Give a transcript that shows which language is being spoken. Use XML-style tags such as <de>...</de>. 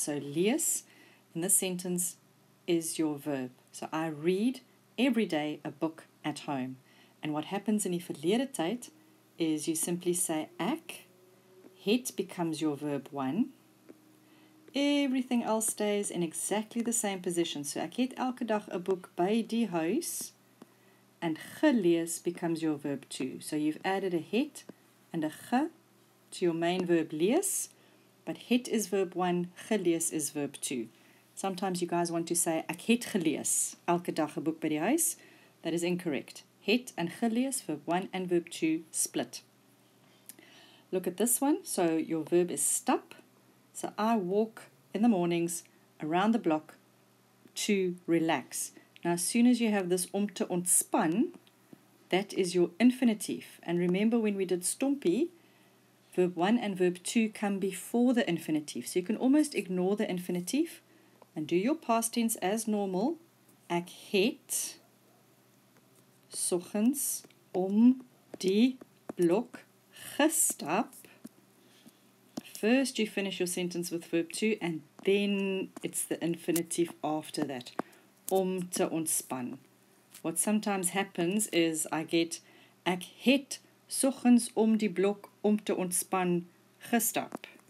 <en>So lees in this sentence is your verb. So I read every day a book at home. And what happens in</en> <af>die verlede tyd</af> <en>is you simply say ek, het becomes your verb 1. Everything else stays in exactly the same position.</en> <af>So ek het elke dag 'n boek by die huis.</af> <en>And gelees becomes your verb 2. So you've added a het and a ge to your main verb lees. But het is verb 1, gelees is verb 2. Sometimes you guys want to say,</en> <af>ek het gelees elke dag 'n boek by die huis.</af> <en>That is incorrect. Het and gelees, verb 1 and verb 2, split. Look at this one. So your verb is stap. So I walk in the mornings around the block to relax. Now, as soon as you have this</en> <af>om te ontspan,</af> <en>that is your infinitive. And remember when we did stompie, verb 1 and verb 2 come before the infinitive. So you can almost ignore the infinitive and do your past tense as normal.</en> <af>Ek het soggens om die blok gestap.</af> <en>First you finish your sentence with verb 2 and then it's the infinitive after that.</en> <af>Om te ontspan.</af> <en>What sometimes happens is I get</en> <af>ek het soggens om die blok om te ontspan gestap.</af>